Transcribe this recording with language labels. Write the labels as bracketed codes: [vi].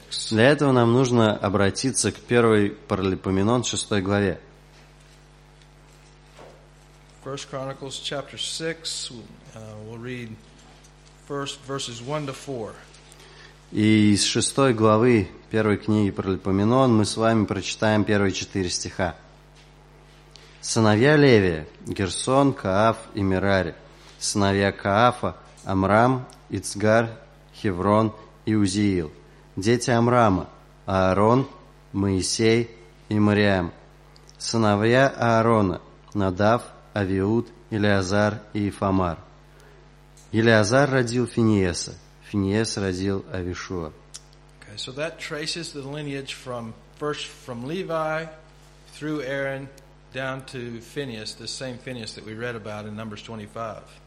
[ru] Для этого нам нужно обратиться к 1 Паралипоменон, 6 главе. [en] 1 Chronicles chapter 6, we'll read first verses 1 to 4. [ru] И из 6 главы 1 книги Паралипоменон мы с вами прочитаем первые 4 стиха. Сыновья Левия: Герсон, Кааф и Мерари. Сыновья Каафа: Амрам, Ицгар, Хеврон и Узиил. Дети Амрама: Аарон, Моисей и Мариам. Сыновья Аарона: Надав, Авиуд, Елеазар и Ифамар. Елеазар родил Финиеса, Финиес родил Авишуа. [en] Okay, so that traces the lineage from Levi through Aaron down to Phinehas, the same Phinehas that we read about in Numbers 25.